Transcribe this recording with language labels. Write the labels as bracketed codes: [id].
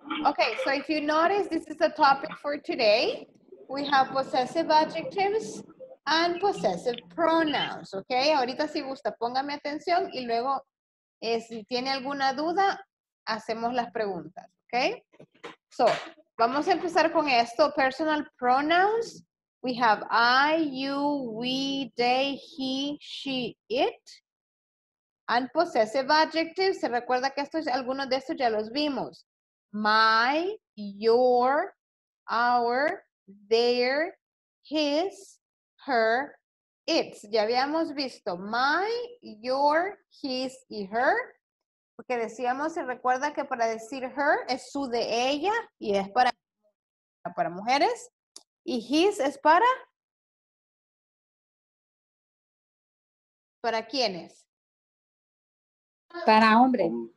[en] Okay, so if you notice, this is the topic for today. We have possessive adjectives and possessive pronouns. [es] Okay, ahorita si gusta, póngame atención y luego si tiene alguna duda, hacemos las preguntas. Okay, so vamos a empezar con esto. [en] Personal pronouns. We have I, you, we, they, he, she, it. And possessive adjectives. [es] Se recuerda que estos, algunos de estos ya los vimos. [en] My, your, our, their, his, her, its. [es] Ya habíamos visto my, your, his y her. Porque decíamos, se recuerda que para decir her es su de ella y es para mujeres. Y his es para quiénes? Para hombre.